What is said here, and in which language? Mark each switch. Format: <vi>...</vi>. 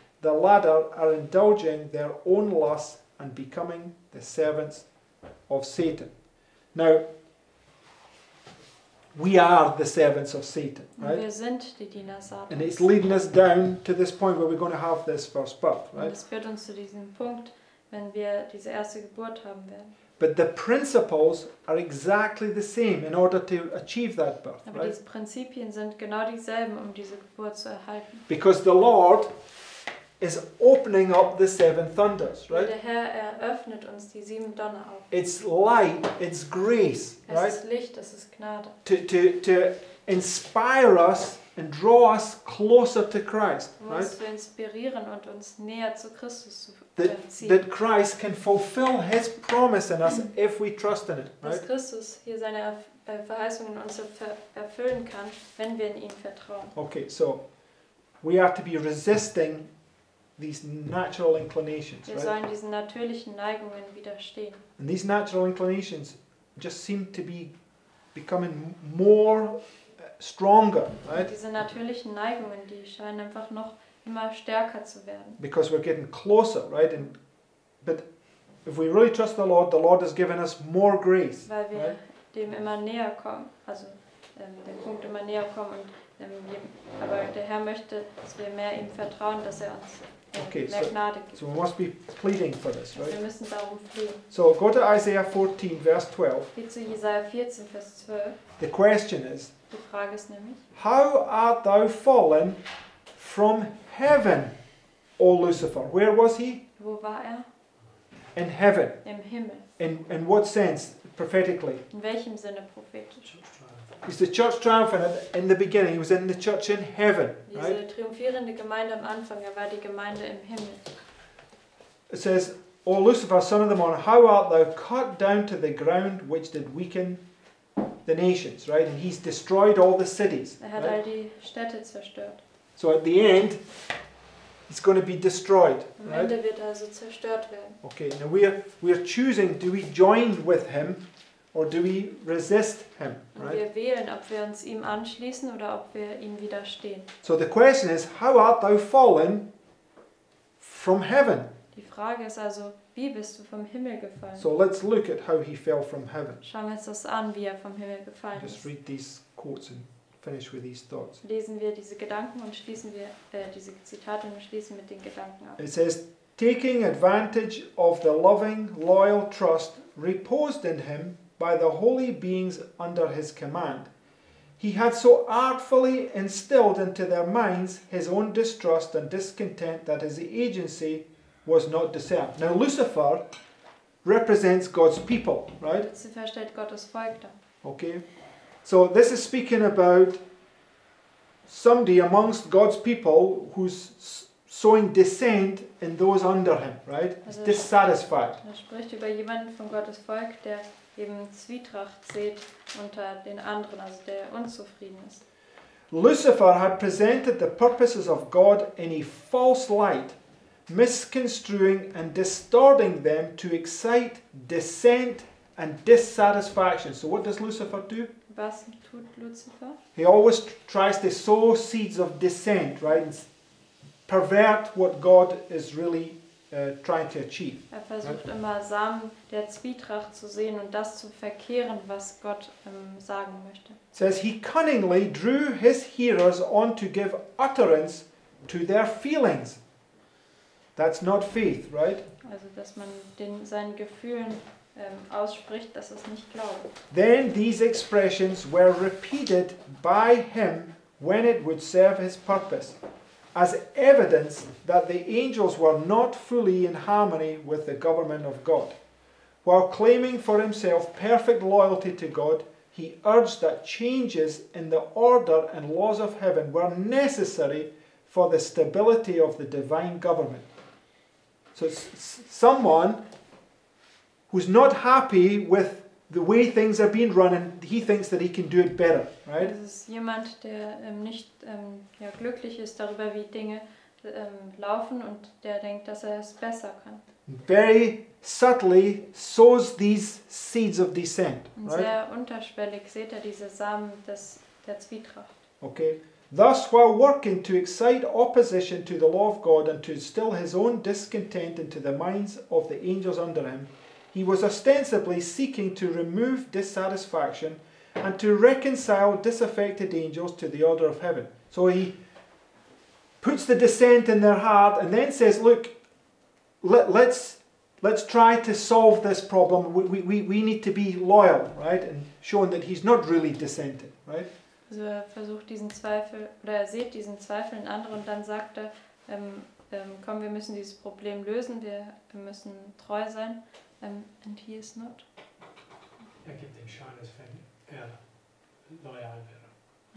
<en>The latter are indulging their own lusts and becoming the servants of Satan. Now, we are the servants of Satan, right?</en> <de>Wir sind die Diener Satans.</de> <en>And it's leading us down to this point where we're going to have this first birth, right?</en> <de>Und es führt uns zu diesem Punkt, wenn wir diese erste Geburt haben werden.</de> <en>But the principles are exactly the same in order to achieve that birth.</en> <de>Aber diese Prinzipien sind genau dieselben, um diese Geburt zu erhalten.</de> <en>Because the Lord is opening up the seven thunders, right?</en> <de>Der Herr eröffnet uns die sieben Donner auf.</de> <en>It's light, it's grace, right?</en> <de>Es ist Licht, es ist Gnade.</de> <en>To inspire us and draw us closer to Christ, right?</en> <de>Um uns zu inspirieren und uns näher zu Christus zu ziehen.</de> <en>That Christ can fulfill his promise in us if we trust in it, right?</en> <de>Dass Christus hier seine Verheißung in uns erfüllen kann, wenn wir in ihn vertrauen.</de> <en>Okay, so we are to be resisting these natural inclinations, right?</en> <de>Wir sollen diesen natürlichen Neigungen widerstehen.</de> <en>And these natural inclinations just seem to be becoming more stronger, right?</en> <de>Diese natürlichen Neigungen, die scheinen einfach noch immer stärker zu werden.</de> <en>Because we're getting closer, right? And but if we really trust the Lord has given us more grace.</en> <de>Weil wir</de> <en>right?</en> <de>dem immer näher kommen, also dem Punkt immer näher kommen. Und aber der Herr möchte, dass wir mehr ihm vertrauen, dass er uns</de> <en>okay,</en> <de>mehr Gnade gibt.</de> <en>So we must be pleading for this, right?</en> <de>Wir müssen darum fliehen.</de> <en>So go to Isaiah 14, verse 12.</en> <de>Geht zu Jesaja 14, Vers 12.</de> <en>The question is,</en> <de>die Frage ist nämlich,</de> <en>how art thou fallen from heaven, O Lucifer? Where was he?</en> <de>Wo war er?</de> <en>In heaven.</en> <de>Im Himmel.</de> <en>In what sense, prophetically?</en> <de>In welchem Sinne prophetisch?</de> <en>Is the church triumphant in the beginning? He was in the church in heaven, right?</en> <de>Diese triumphierende Gemeinde am Anfang, war die Gemeinde im Himmel.</de> <en>It says, O Lucifer, son of the morning, how art thou cut down to the ground which did weaken the nations, right? And he's destroyed all the cities.</en> <de>Er hat all die Städte zerstört.</de> <en>So at the end, it's going to be destroyed.</en> <de>Am Ende wird also zerstört werden.</de> <en>Okay, now we're choosing, do we join with him? Or do we resist him, right?</en> <de>Wir wählen, ob wir uns ihm anschließen oder ob wir ihm widerstehen.</de> <en>So the question is, how art thou fallen from heaven?</en> <de>Die Frage ist also, wie bist du vom Himmel gefallen?</de> <en>So let's look at how he fell from heaven.</en> <de>Schauen wir uns das an, wie er vom Himmel gefallen</de> <en>just</en> <de>ist.</de> <en>Just read these quotes and finish with these thoughts.</en> <de>Lesen wir diese Gedanken und schließen wir diese Zitate und schließen mit den Gedanken ab.</de> <en>It says, taking advantage of the loving, loyal trust reposed in him by the holy beings under his command. He had so artfully instilled into their minds his own distrust and discontent that his agency was not discerned. Now Lucifer represents God's people, right?</en> <de>Lucifer stellt Gottes Volk dar.</de> <en>Okay. So this is speaking about somebody amongst God's people who's sowing dissent in those under him, right?</en> <de>Also,</de> <en>he's dissatisfied.</en> <de>Er spricht über jemanden von Gottes Volk, der eben Zwietracht sieht unter den anderen, also der unzufrieden ist.</de> <en>Lucifer had presented the purposes of God in a false light, misconstruing and distorting them to excite dissent and dissatisfaction. So what does Lucifer do?</en> <de>Was tut Lucifer?</de> <en>He always tries to sow seeds of dissent, right? And pervert what God is really trying to achieve.</en> <de>Er versucht immer Samen der Zwietracht zu sehen und das zu verkehren, was Gott sagen möchte.</de> <en>Says he cunningly drew his hearers on to give utterance to their feelings. That's not faith, right?</en> <de>Also, dass man den seinen Gefühlen ausspricht, das ist nicht Glauben.</de> <en>Then these expressions were repeated by him when it would serve his purpose, as evidence that the angels were not fully in harmony with the government of God. While claiming for himself perfect loyalty to God, he urged that changes in the order and laws of heaven were necessary for the stability of the divine government. So someone who's not happy with the way things are being run, and he thinks that he can do it better, right?</en> <de>Es ist jemand, der nicht glücklich ist darüber, wie Dinge laufen, und der denkt, dass er es besser kann.</de> <en>Very subtly sows these seeds of dissent, right?</en> <de>Sehr unterschwellig sät er diese Samen der Zwietracht.</de> <en>Okay. Thus, while working to excite opposition to the law of God and to instill his own discontent into the minds of the angels under him, he was ostensibly seeking to remove dissatisfaction and to reconcile disaffected angels to the order of heaven. So he puts the dissent in their heart and then says, look, let's try to solve this problem. We need to be loyal, right? And showing that he's not really dissenting, right?</en> <de>Also er versucht diesen Zweifel, oder er sieht diesen Zweifel in anderen und dann sagt er, komm, wir müssen dieses Problem lösen, wir müssen treu sein.</de> <en>And he is not.</en> <de>Er gibt den Schein, als wenn er loyal wäre.</de>